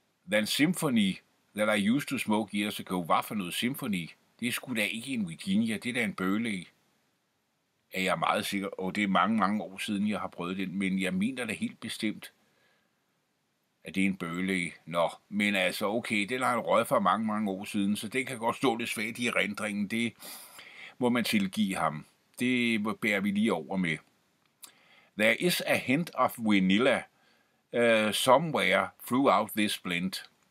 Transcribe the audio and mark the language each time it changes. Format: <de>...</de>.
<en>than symphony that I used to smoke years ago.</en> <da>Hvad for noget symphony? Det er sgu da ikke en Virginia, det er da en Burley. Er jeg meget sikker, og det er mange, mange år siden, jeg har prøvet den, men jeg mener da helt bestemt, at det er en Burley. Nå, men altså, okay, den har jeg røget for mange, mange år siden, så det kan godt stå lidt svagt i erindringen. Det må man tilgive ham. Det bærer vi lige over med.</da> <en>There is a hint of vanilla somewhere throughout this blend.</en>